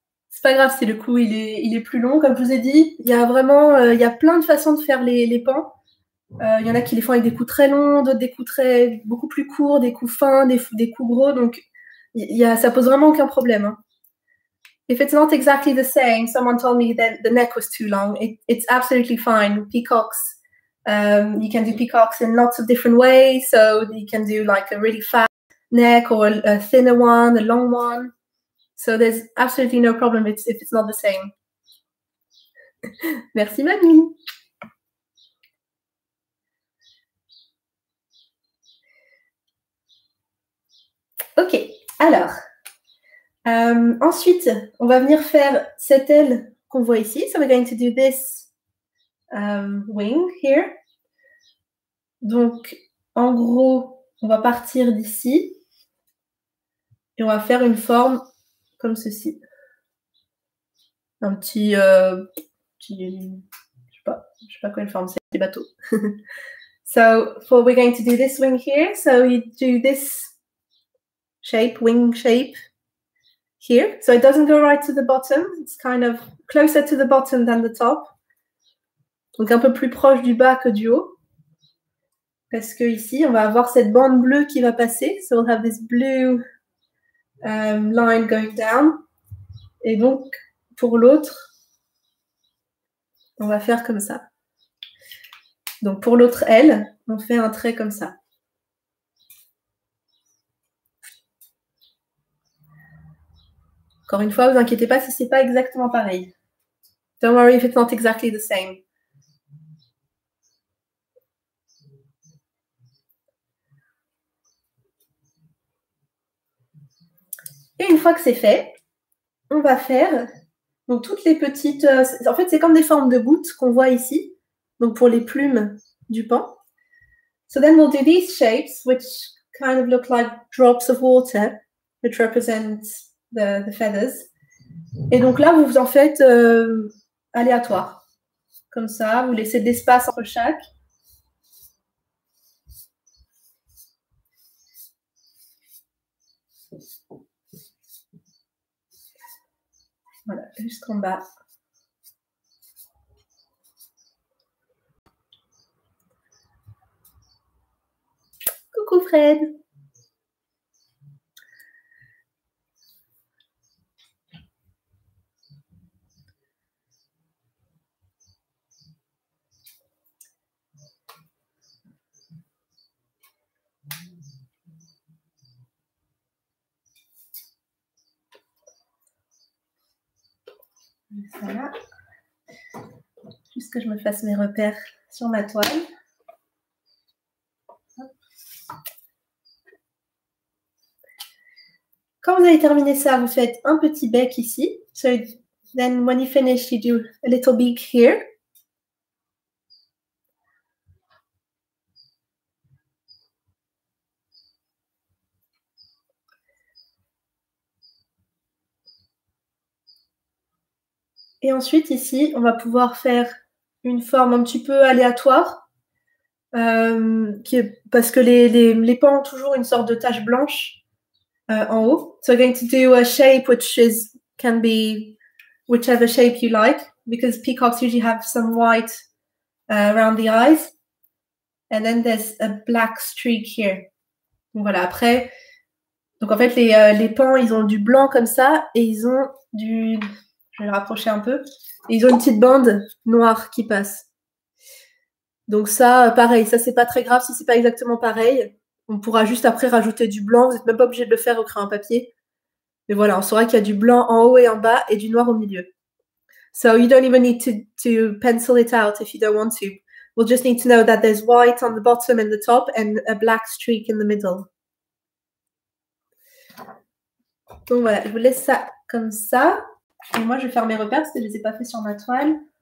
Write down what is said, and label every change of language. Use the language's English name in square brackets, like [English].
[French] C'est pas grave si le cou il est plus long, comme je vous ai dit. Il y a vraiment il y a plein de façons de faire les pans. Il y en a qui les font avec des coups très longs, d'autres des coups très beaucoup plus courts, des coups fins, des coups gros. Donc ça pose vraiment aucun problème. Hein. [English] If it's not exactly the same, someone told me that the neck was too long. It's absolutely fine. Peacocks, you can do peacocks in lots of different ways. So you can do like a really fat neck or a thinner one, a long one. So there's absolutely no problem if it's not the same. [French] Merci, mamie. OK, alors, ensuite, on va venir faire cette aile qu'on voit ici. [English] So we're going to do this wing here. [French] Donc, en gros, on va partir d'ici et on va faire une forme comme ceci. un petit, petit je sais pas quoi une forme, c'est des bateaux. [English] So for we're going to do this wing here. So you do this shape, wing shape here. So it doesn't go right to the bottom. It's kind of closer to the bottom than the top. [French] Donc un peu plus proche du bas que du haut. Parce que ici, on va avoir cette bande bleue qui va passer. [English] So we'll have this blue line going down. [French] Et donc, pour l'autre, on va faire comme ça. Donc, pour l'autre aile, on fait un trait comme ça. Encore une fois, ne vous inquiétez pas si ce n'est pas exactement pareil. [English] Don't worry if it's not exactly the same. [French] Et une fois que c'est fait, on va faire donc toutes les petites... En fait, c'est comme des formes de gouttes qu'on voit ici, donc pour les plumes du paon. [English] So then we'll do these shapes, which kind of look like drops of water, which represent the feathers. [French] Et donc là, vous en faites aléatoire. Comme ça, vous laissez de l'espace entre chaque. Voilà, jusqu'en bas. Coucou Fred. Voilà, juste que je me fasse mes repères sur ma toile. Quand vous avez terminé ça, vous faites un petit bec ici. [English] So then when you finish, you do a little beak here. [French] Et ensuite, ici, on va pouvoir faire une forme un petit peu aléatoire qui est, parce que les paons ont toujours une sorte de tache blanche en haut. [English] So we're going to do a shape which is can be whichever shape you like because peacocks usually have some white around the eyes. And then there's a black streak here. [French] Donc voilà, après, donc en fait, les paons, ils ont du blanc comme ça et ils ont du... Je vais le rapprocher un peu. Et ils ont une petite bande noire qui passe. Donc ça, pareil, ça, c'est pas très grave si c'est pas exactement pareil. On pourra juste après rajouter du blanc. Vous n'êtes même pas obligé de le faire au crayon papier. Mais voilà, on saura qu'il y a du blanc en haut et en bas et du noir au milieu. [English] So you don't even need to pencil it out if you don't want to. We'll just need to know that there's white on the bottom and the top and a black streak in the middle. [French] Donc voilà, je vous laisse ça comme ça. Et moi, je vais faire mes repères parce que je ne les ai pas fait sur ma toile.